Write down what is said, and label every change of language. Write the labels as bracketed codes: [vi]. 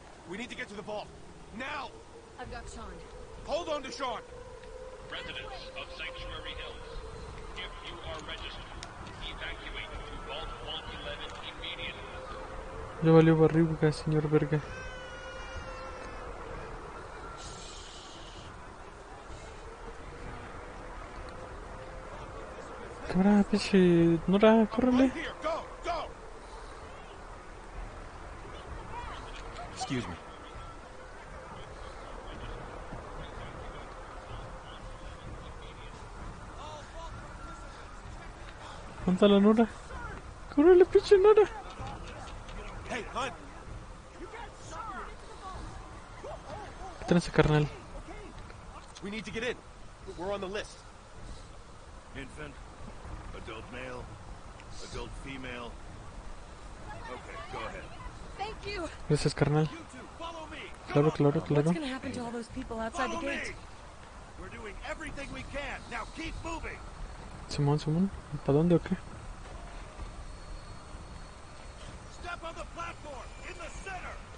[en] We need to get to the vault. Now! I've got Sean. Hold on to Sean! Residents of Sanctuary Hills, if you are registered, evacuate to Vault 111 immediately. [es] Ya valió verga, señor verga. Cámara, pinche. Nora, córrele. [en] Excuse me. [es] ¿Cuánta la Nora? ¡Córrele, pinche Nora! [en] Hey, hun. [es] ¿Qué tenés, carnal? [en] We need to get in. We're on the list. Infant, adult male, adult female. Okay, go ahead. Thank you. [es] Gracias, carnal. Claro, claro, claro. [en] What's gonna happen to all those people outside the gate? We're doing everything we can. Now keep moving. [es] Simón, Simón, ¿para dónde o qué? [en] Step on the platform in the center.